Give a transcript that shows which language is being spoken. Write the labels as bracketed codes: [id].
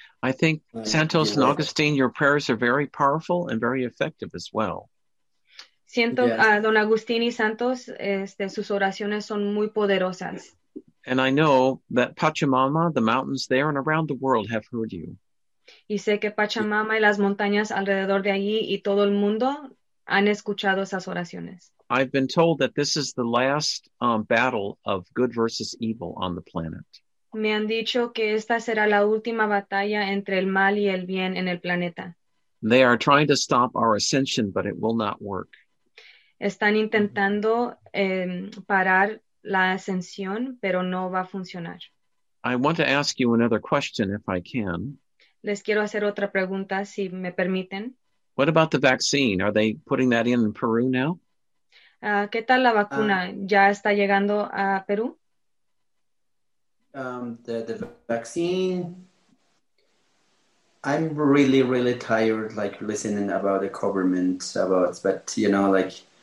[en] I think, Santos and Augustine, your prayers are very powerful and very effective as well. [es] Siento, Don Agustín y Santos, sus oraciones son muy poderosas. [en] And I know that Pachamama, the mountains there and around the world have heard you. [es] Y sé que Pachamama y las montañas alrededor de allí y todo el mundo han escuchado esas oraciones. [en] I've been told that this is the last battle of good versus evil on the planet. [es] Me han dicho que esta será la última batalla entre el mal y el bien en el planeta. [en] They are trying to stop our ascension, but it will not work. [es] Están intentando parar la ascensión, pero no va a funcionar. [en] I want to ask you another question, if I can. [es] Les quiero hacer otra pregunta, si me permiten. [en] What about the vaccine? Are they putting that in Peru now? [es] ¿Qué tal la vacuna? ¿Ya está llegando a Perú? [en] The vaccine. I'm really, really tired, like listening about the government about, but you know, like,